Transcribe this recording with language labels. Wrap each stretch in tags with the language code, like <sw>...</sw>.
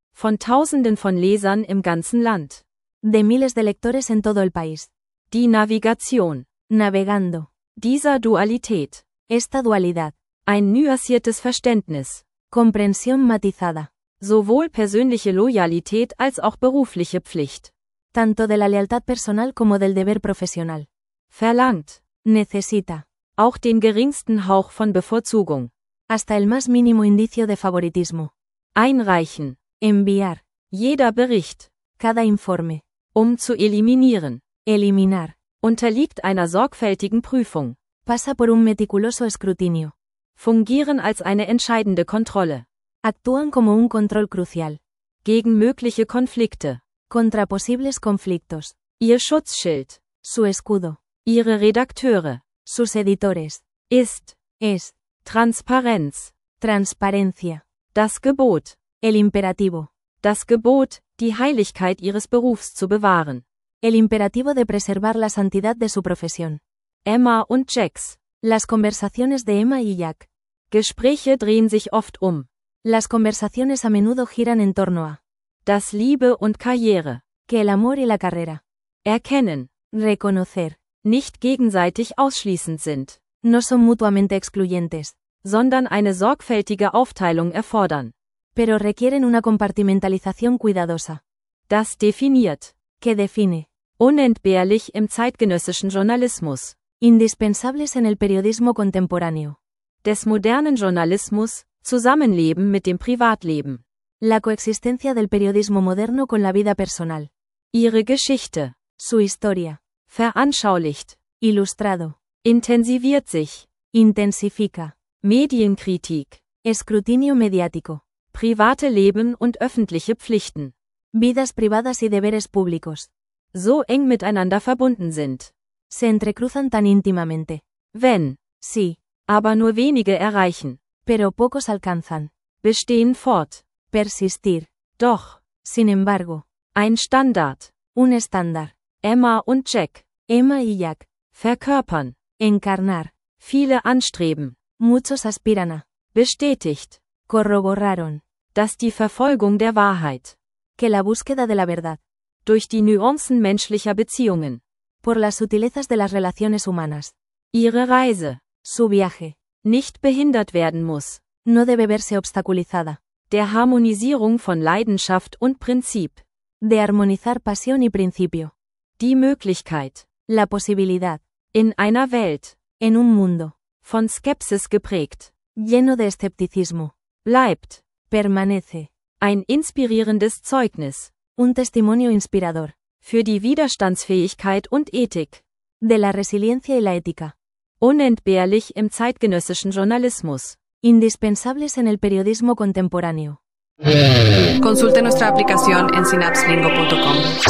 <de>Von tausenden von Lesern im ganzen Land.</de> <es>De miles de lectores en todo el país.</es> <de>Die Navigation.</de> <es>Navegando.</es> <de>Dieser Dualität.</de> <es>Esta dualidad.</es> <de>Ein nuanciertes Verständnis.</de> <es>Comprensión matizada.</es> <de>Sowohl persönliche Loyalität als auch berufliche Pflicht.</de> <es>Tanto de la lealtad personal como del deber profesional.</es> <de>Verlangt.</de> <es>Necesita.</es> <de>Auch den geringsten Hauch von Bevorzugung.</de> <es>Hasta el más mínimo indicio de favoritismo.</es> <de>Einreichen.</de> <es>Enviar.</es> <de>Jeder Bericht.</de> <es>Cada informe.</es> <de>Um zu eliminieren.</de> <es>Eliminar.</es> <de>Unterliegt einer sorgfältigen Prüfung.</de> <es>Pasa por un meticuloso escrutinio.</es> <de>Fungieren als eine entscheidende Kontrolle.</de> <es>Actúan como un control crucial.</es> <de>Gegen mögliche Konflikte.</de> <es>Contra posibles conflictos.</es> <de>Ihr Schutzschild.</de> <es>Su escudo.</es> <de>Ihre Redakteure.</de> <es>Sus editores.</es> <de>Ist.</de> <es>Es.</es> <de>Transparenz.</de> <es>Transparencia.</es> <de>Das Gebot.</de> <es>El imperativo.</es> <de>Das Gebot, die Heiligkeit ihres Berufs zu bewahren.</de> <es>El imperativo de preservar la santidad de su profesión.</es> <de>Emma und Jacks.</de> <es>Las conversaciones de Emma y Jack.</es> <de>Gespräche drehen sich oft um.</de> <es>Las conversaciones a menudo giran en torno a.</es> <de>Das Liebe und Karriere.</de> <es>Que el amor y la carrera.</es> <de>Erkennen.</de> <es>Reconocer.</es> <de>Nicht gegenseitig ausschließend sind.</de> <es>No son mutuamente excluyentes.</es> <de>Sondern eine sorgfältige Aufteilung erfordern.</de> <es>pero requieren una compartimentalización cuidadosa.</es> <de>Das definiert.</de> <es>¿Qué define?</es> <de>Unentbehrlich im zeitgenössischen Journalismus.</de> <es>Indispensables en el periodismo contemporáneo.</es> <de>Des modernen Journalismus, Zusammenleben mit dem Privatleben.</de> <es>La coexistencia del periodismo moderno con la vida personal.</es> <de>Ihre Geschichte.</de> <es>Su historia.</es> <de>Veranschaulicht.</de> <es>Ilustrado.</es> <de>Intensiviert sich.</de> <es>Intensifica.</es> <de>Medienkritik.</de> <es>Escrutinio mediático.</es> <de>Private Leben und öffentliche Pflichten.</de> <es>Vidas privadas y deberes públicos.</es> <de>So eng miteinander verbunden sind.</de> <es>Se entrecruzan tan íntimamente.</es> <de>Wenn.</de> <es>Sí.</es> <de>Aber nur wenige erreichen.</de> <es>Pero pocos alcanzan.</es> <de>Bestehen fort.</de> <es>Persistir.</es> <de>Doch.</de> <es>Sin embargo.</es> <de>Ein Standard.</de> <es>Un estándar.</es> <de>Emma und Jack.</de> <es>Emma y Jack.</es> <de>Verkörpern.</de> <es>Encarnar.</es> <de>Viele anstreben.</de> <es>Muchos aspiran a.</es> <de>Bestätigt.</de> <es>Corroboraron.</es> <de>Dass die Verfolgung der Wahrheit.</de> <es>Que la búsqueda de la verdad.</es> <de>Durch die Nuancen menschlicher Beziehungen.</de> <es>Por las sutilezas de las relaciones humanas.</es> <de>Ihre Reise.</de> <es>Su viaje.</es> <de>Nicht behindert werden muss.</de> <es>No debe verse obstaculizada.</es> <de>Der Harmonisierung von Leidenschaft und Prinzip.</de> <es>De armonizar pasión y principio.</es> <de>Die Möglichkeit.</de> <es>La posibilidad.</es> <de>In einer Welt.</de> <es>En un mundo.</es> <de>Von Skepsis geprägt.</de> <es>Lleno de escepticismo.</es> <de>Bleibt.</de> <es>Permanece.</es> <de>Ein inspirierendes Zeugnis.</de> <es>Un testimonio inspirador.</es> <de>Für die Widerstandsfähigkeit und Ethik.</de> <es>De la resiliencia y la ética.</es> <de>Unentbehrlich im zeitgenössischen Journalismus.</de> <es>Indispensables en el periodismo contemporáneo. Consulte nuestra aplicación en synapslingo.com.</es>